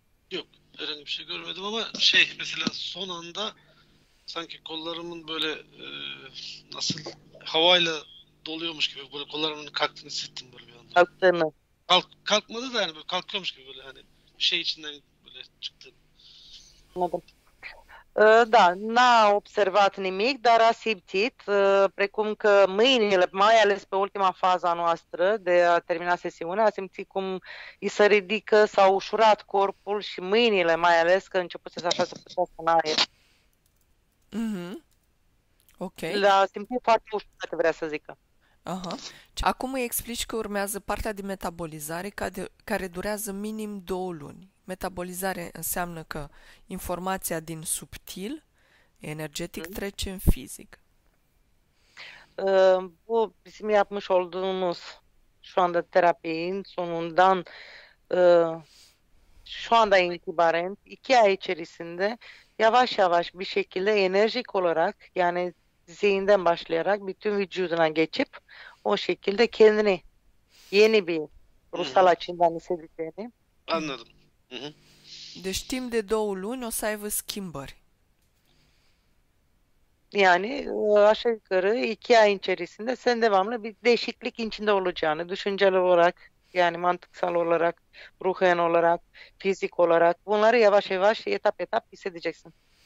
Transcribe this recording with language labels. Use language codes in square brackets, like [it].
[tr] Yok, herhangi bir şey görmedim ama şey mesela son anda sanki kollarımın böyle nasıl havayla doluyormuş gibi böyle kollarımın kalktığını hissettim böyle bir anda. Kalktı mı? Kalkmadı da yani böyle kalkıyormuş gibi böyle hani şey içinden böyle çıktı. Anladım. [ro] Da, n-a observat nimic, dar a simțit, precum că mâinile, mai ales pe ultima fază a noastră de a termina sesiunea, a simțit cum i se ridică, s-a ușurat corpul și mâinile, mai ales că începuse să așa să putească în aer. Ok. Le-a simțit foarte ușor, dacă vrea să zică. Acum îi explici că urmează partea de metabolizare care durează minim 2 luni. Metabolizare înseamnă că informația din subtil, energetic, trece în fizic. [tr] Bu bizim yapmış olduğumuz şu anda terapinin sonundan şu anda itibaren 2 ay içerisinde yavaş yavaş bir şekilde enerjik olarak yani zihinden başlayarak bütün vücuduna geçip o şekilde kendini yeni bir ruhsal açıdan hissedeceğini. Anladım. [ro] Deci timp de 2 luni o să aibă schimbări. [tr] Yani aşağı yukarı 2 ay içerisinde sen devamlı bir değişiklik içinde olacağını, düşünceli olarak, yani mantıksal olarak, ruhen olarak, fizik olarak bunları yavaş yavaş etap etap hissedeceksin.